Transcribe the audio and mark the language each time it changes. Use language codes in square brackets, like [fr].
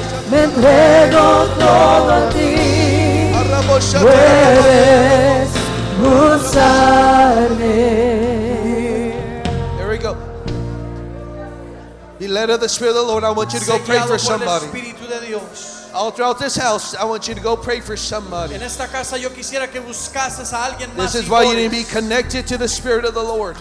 [es] Me entrego todo a ti. Puedes usarme. [en] There we go. Be led of the Spirit of the Lord. I want you to go pray for somebody. All throughout this house, I want you to go pray for somebody. [es] En esta casa yo quisiera que buscases a alguien más. [en] This is why you need to be connected to the Spirit of the Lord.